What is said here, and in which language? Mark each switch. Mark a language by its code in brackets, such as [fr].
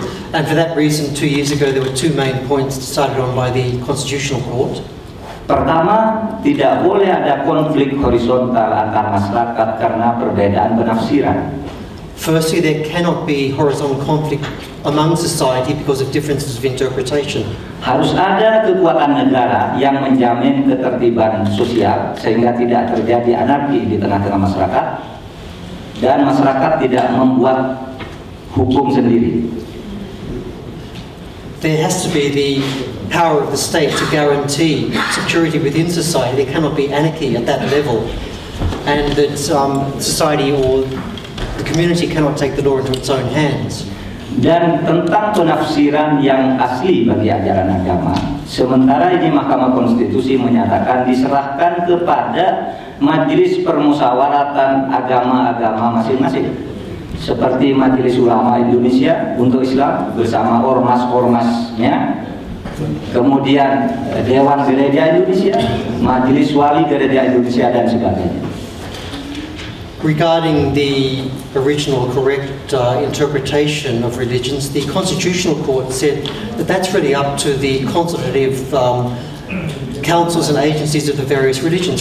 [en] And for that reason, 2 years ago, there were two main points decided on by the Constitutional Court. [id] Pertama, tidak boleh ada konflik horizontal antar masyarakat karena perbedaan penafsiran. [en] Firstly, there cannot be horizontal conflict among society because of differences of interpretation. [id] Harus ada kekuatan negara yang menjamin ketertiban sosial sehingga tidak terjadi anarki di tengah-tengah masyarakat dan masyarakat tidak membuat hukum sendiri. [en] There has to be the power of the state to guarantee security within society. There cannot be anarchy at that level, and that society or the community cannot take the law into its own hands. [id] Dan tentang penafsiran yang asli bagi ajaran agama, sementara ini Mahkamah Konstitusi menyatakan diserahkan kepada Majelis Permusyawaratan Agama-agama masing-masing. Seperti Majelis Ulama Indonesia untuk Islam bersama ormas-ormasnya, kemudian Dewan Gereja Indonesia, Majelis Wali Gereja Indonesia dan sebagainya. [en] Regarding the original correct interpretation of religions, the Constitutional Court said that that's really up to the consultative councils and agencies of the various religions.